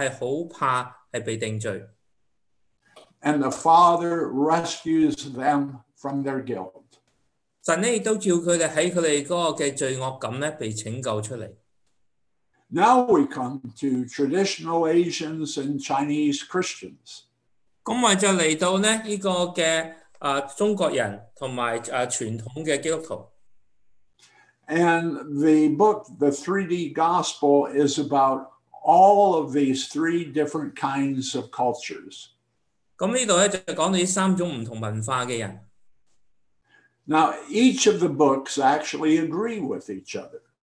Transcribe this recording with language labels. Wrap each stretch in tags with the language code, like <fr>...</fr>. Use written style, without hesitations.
<zh>在另一个文化里面,他们就是很怕被定罪.</zh> <en>And the Father rescues them from their guilt.</en> <zh>神也叫他们在他们的罪恶感被拯救出来.</zh> <en>Now we come to traditional Asians and Chinese Christians.</en> <zh>今天就来到这个中国人和传统的基督徒.</zh> <en>And the book, The 3D Gospel, is about all of these three different kinds of cultures.</en> <zh>这里就讲到这三种不同文化的人.</zh> <en>Now, each of the books actually agree with each other.</en>